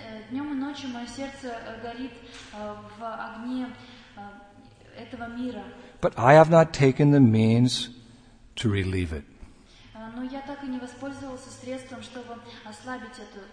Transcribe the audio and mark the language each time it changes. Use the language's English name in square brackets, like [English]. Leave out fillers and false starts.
[Russian] Днем и ночью мое сердце горит в огне этого мира. [English] But I have not taken the means to relieve it. [Russian] Но я так и не воспользовался средством, чтобы ослабить эту.